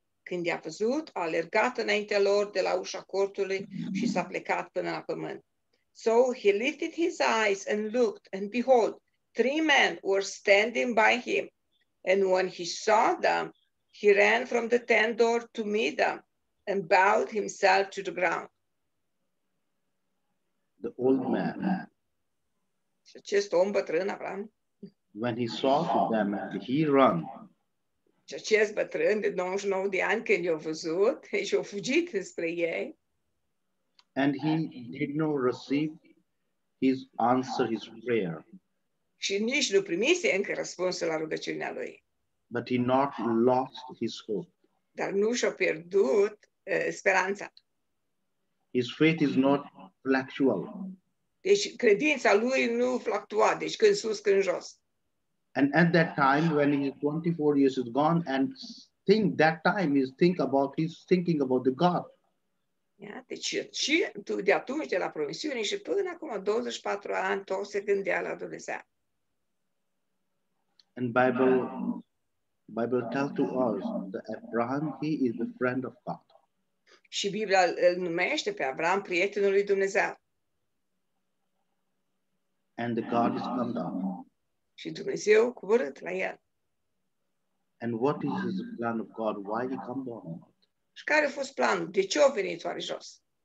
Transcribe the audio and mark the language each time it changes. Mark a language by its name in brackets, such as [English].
[Romanian] Când i-a văzut, a alergat înaintea lor de la ușa cortului și s-a plecat până la pământ. [English] So he lifted his eyes and looked, and behold, three men were standing by him. And when he saw them, he ran from the tent door to meet them and bowed himself to the ground. The old man. [Romanian] Acest om bătrân, Avram. [English] When he saw them, he ran. [Romanian] Și acest bătrân de 99 de ani când i-a văzut și a fugit spre ei. [English] And he did not receive his answer, his prayer. [Romanian] Și nici nu primise încă răspunsul la rugăciunea lui. [English] But he not lost his hope. [Romanian] Dar nu și-a pierdut speranța. [English] His faith is not fluctual. [Romanian] Deci credința lui nu fluctua, deci când sus, când jos. [English] And at that time, when he is 24 years is gone, and think that time is think about he's thinking about the God. [Romanian] Yeah, deci și de atunci de la promisiune și până acum 24 ani tot se gândea la Dumnezeu. [English] And Bible tells to us that Abraham he is the friend of God. [Romanian] Și Biblia îl numește pe Avram prietenul lui Dumnezeu. [English] And the God has come down. [Romanian] Și Dumnezeu coborât la el. [English] And what is the plan of God? Why he come down? [Romanian] Și care a fost planul? De ce a venit oare jos?